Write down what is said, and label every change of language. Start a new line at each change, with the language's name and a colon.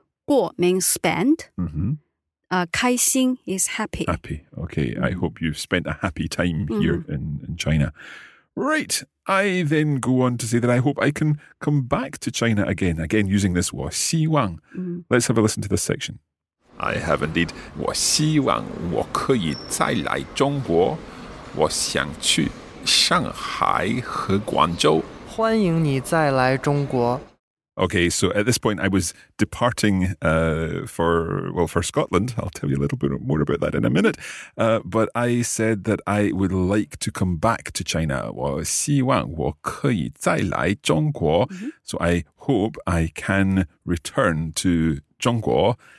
English: 过 means spend. Mm-hmm. 开心 is happy. Happy. Okay. Mm-hmm. I hope you've spent a happy time here in China. Right. I then go on to say that I hope I can come back to China again using this 我希望. Mm-hmm. Let's have a listen to this section. I have indeed.
Chinese: 我希望我可以再来中国。我想去上海和广州。欢迎你再来中国。
English: Okay, so at this point I was departing for Scotland. I'll tell you a little bit more about that in a minute. But I said that I would like to come back to China.
Chinese: 我希望我可以再来中国. Mm-hmm.
English: So I hope I can return to 中国.